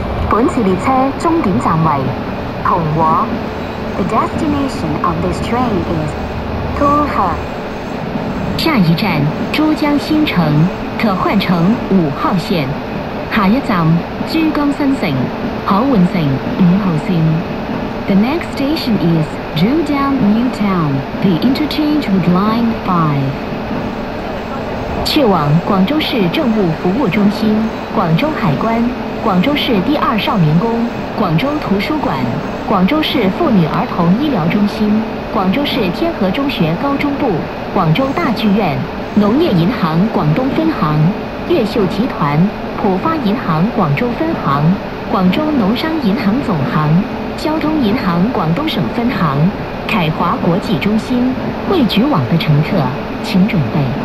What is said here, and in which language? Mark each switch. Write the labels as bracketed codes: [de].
[zh] 本次列车终点站为同和。 [en] The destination of this train is 同和。 [zh] 下一站珠江新城，可换乘五号线。下一站珠江新城，可换乘五号线。 [en] The next station is Zhujiang New Town. The interchange with Line 5. [zh] 去往广州市政务服务中心、广州海关、广州市第二少年宫、广州图书馆、广州市妇女儿童医疗中心、广州市天河中学高中部、广州大剧院、农业银行广东分行、越秀集团、浦发银行广州分行、广州农商银行总行、交通银行广东省分行、凯华国际中心、汇局网的乘客，请准备。